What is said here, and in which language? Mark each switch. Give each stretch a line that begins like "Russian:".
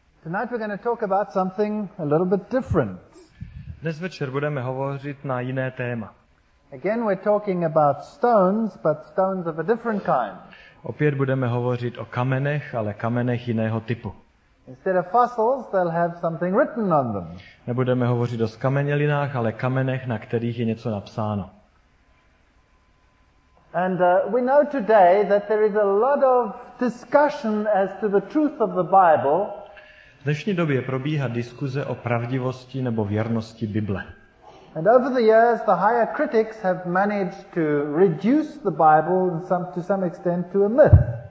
English: Tonight we're going to talk about something a little bit different.
Czech: Dnes večer budeme hovořit na jiné téma.
English: Again we're talking about stones, but stones of a different kind.
Czech: Opět budeme hovořit o kamenech, ale kamenech jiného typu.
English: Instead of fossils, they'll have something written on them.
Czech: Nebudeme hovořit o skamenělinách, ale kamenech, na kterých je něco napsáno.
English: And we know today that there is a lot of discussion as to the truth of the Bible.
Czech: V dnešní době probíhá diskuze o pravdivosti nebo věrnosti Bible.
English: And over the years, the higher critics have managed to reduce the Bible to some extent to a myth.